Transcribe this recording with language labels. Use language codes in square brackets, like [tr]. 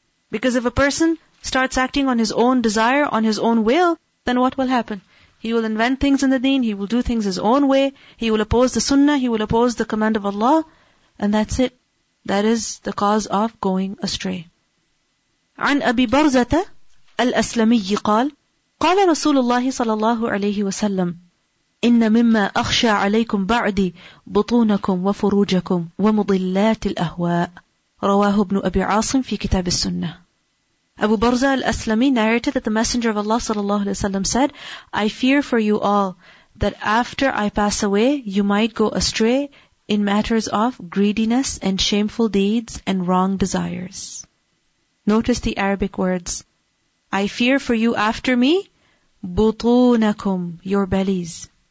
[en] Because if a person starts acting on his own desire, on his own will, then what will happen? He will invent things in the deen, he will do things his own way, he will oppose the sunnah, he will oppose the command of Allah, and that's it. That is the cause of going astray. [ar] عن أبي برزة الأسلمي قال قال رسول الله صلى الله عليه وسلم إن مما أخشى عليكم بعدي بطونكم وفروجكم ومضلات الأهواء رواه ابن أبي عاصم في كتاب السنة. [en] Abu Barza al-Aslami narrated that the Messenger of Allah sallallahu alaihi wasallam said, I fear for you all that after I pass away, you might go astray in matters of greediness and shameful deeds and wrong desires. Notice the Arabic words. I fear for you after me, بطونكم, your bellies.